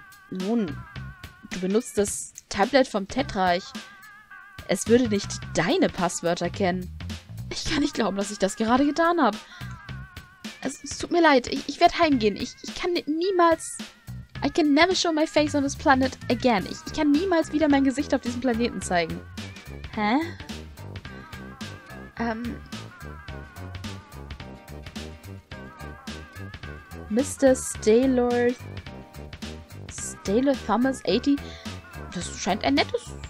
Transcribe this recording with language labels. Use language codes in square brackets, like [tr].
[de] Nun, du benutzt das Tablet vom Tetraich. Es würde nicht deine Passwörter kennen. Ich kann nicht glauben, dass ich das gerade getan habe. Es tut mir leid, ich werde heimgehen. Ich kann niemals [en] I can never show my face on this planet again. [de] Ich kann niemals wieder mein Gesicht auf diesem Planeten zeigen. Hä? Mr. Staylor Thomas 80. Das scheint ein nettes.